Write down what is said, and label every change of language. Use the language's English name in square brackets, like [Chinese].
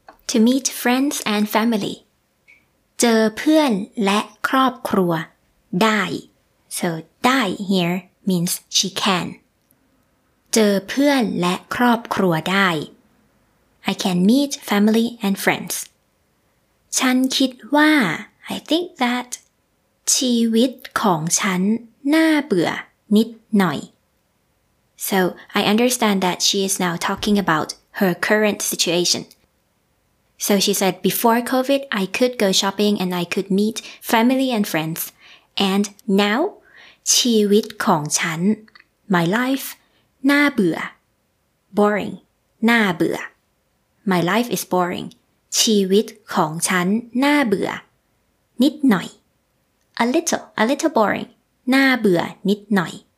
[English] to meet friends and family เจอเพื่อนและครอบครัวได้ So, die here means she can. เจอเพื่อนและครอบครัวได้ I can meet family and friends. ฉันคิดว่า I think that ชีวิตของฉันน่าเบื่อนิดหน่อย So, I understand that she is now talking about her current situation. So, she said, before COVID, I could go shopping and I could meet family and friends. And now... [Thai] ชีวิตของฉัน my life น่าเบื่อ boring น่าเบื่อ my life is boring ชีวิตของฉันน่าเบื่อนิดหน่อย a little boring น่าเบื่อนิดหน่อย